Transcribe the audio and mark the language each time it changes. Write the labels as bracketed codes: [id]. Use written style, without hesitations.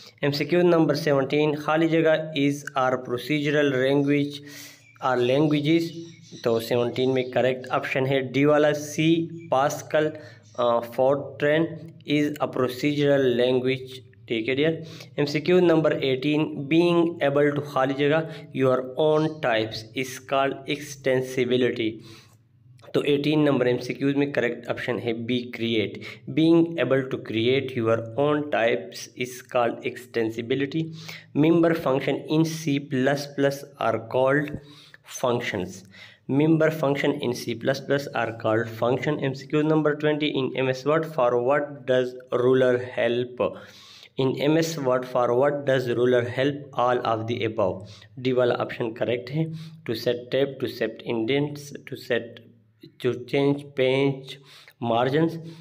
[en] MCQ number 17, khali jagah is our procedural language or languages, [hi] to 17 mein correct option hai d wala, [en] c pascal fortran is a procedural language, theek hai dear. MCQ number 18, being able to khali jagah your own types is called extensibility, [hi] तो 18 number MCQs में correct option है be create, [en] Being able to create your own types is called extensibility. Member function in C plus plus are called functions. Member function in C++ are called function. MCQ number 20 in MS Word. For what does ruler help? In MS Word, for what does ruler help? All of the above. [hi] D wala option correct hai. [en] To set tape, to set indents, to set, to change page margins.